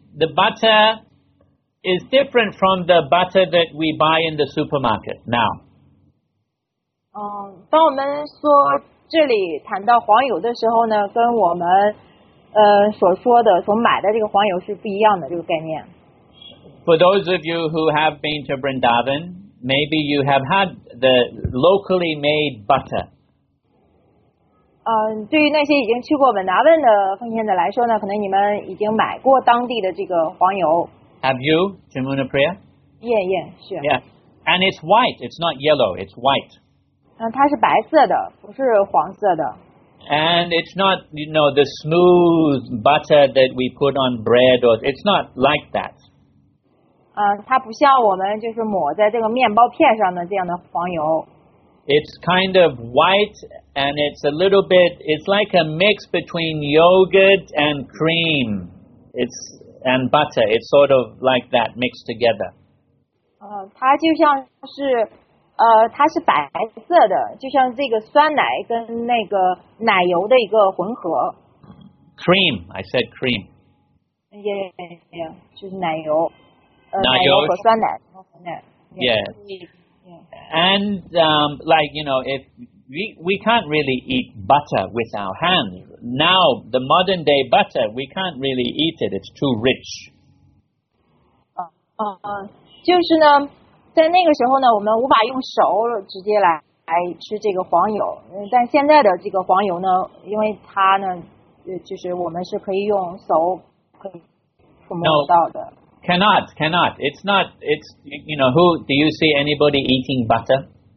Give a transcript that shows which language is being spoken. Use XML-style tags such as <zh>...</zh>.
<en>The butter is different from the butter that we buy in the supermarket now.</en> <zh>当我们说这里谈到黄油的时候呢，跟我们所说的所买的这个黄油是不一样的这个概念。</zh> <en>for those of you who have been to Vrindavan, maybe you have had the locally made butter.</en> <zh>对于那些已经去过文达文的奉献者来说呢，可能你们已经买过当地的这个黄油。</zh> <en>Have you, Jamunapriya? Yeah, yeah, sure. Yeah, and it's white. It's not yellow. It's white.</en> <zh>它是白色的，不是黄色的。</zh> <en>And it's not, you know, the smooth butter that we put on bread, or it's not like that.</en> <zh>它不像我们就是抹在这个面包片上的这样的黄油。</zh> <en>It's kind of white, and it's a little bit, it's like a mix between yogurt and cream, and butter. It's sort of like that mixed together.</en> <zh>它就像是它是白色的，就像这个酸奶跟那个奶油的一个混合。</zh> <en>Cream, I said cream. Yeah,</en> <zh>就是奶油。奶油和酸奶。</zh> <en>Yeah. And, like, you know, if we can't really eat butter with our hands. Now, the modern day butter, we can't really eat it. It's too rich.</en> <zh>就是呢在那个时候呢我们无法用手直接来吃这个黄油但现在的这个黄油呢因为它呢就是我们是可以用手可以触摸到的。</zh> <en>No, cannot. It's not, it's, you know, who, do you see anybody eating butter?</en>